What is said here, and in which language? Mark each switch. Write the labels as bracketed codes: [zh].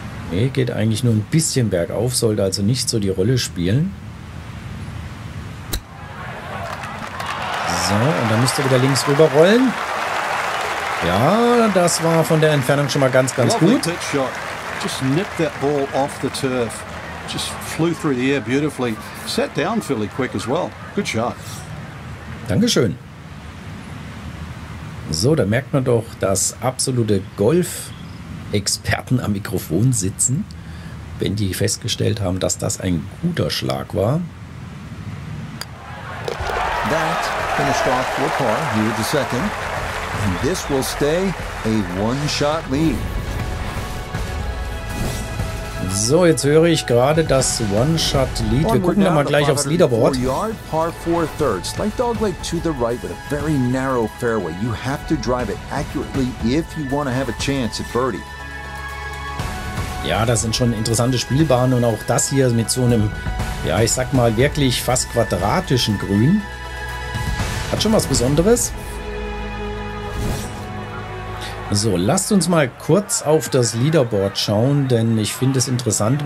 [de] Nee, geht eigentlich nur ein bisschen bergauf, sollte also nicht so die Rolle spielen. So, und dann müsste wieder links rüberrollen. Ja, das war von der Entfernung schon mal ganz, ganz gut. [en] Just nipped that ball off the turf. Just flew through the air beautifully. Set down fairly quick as well. Good shot. [de] Dankeschön. So, da merkt man doch, dass absolute Golf Experten am Mikrofon sitzen, wenn die festgestellt haben, dass das ein guter Schlag war. [en] That finished off for par here the second. And this will stay a one-shot lead. [de] So, jetzt höre ich gerade das One-Shot-Lead. Wir gucken da mal gleich aufs Leaderboard. [en] Yard, par 4 thirds. Like dogleg to the right with a very narrow fairway. You have to drive it accurately if you want to have a chance at birdie. [de] Ja, das sind schon interessante Spielbahnen und auch das hier mit so einem, ja, ich sag mal, wirklich fast quadratischen Grün. Hat schon was Besonderes. So, lasst uns mal kurz auf das Leaderboard schauen, denn ich finde es interessant.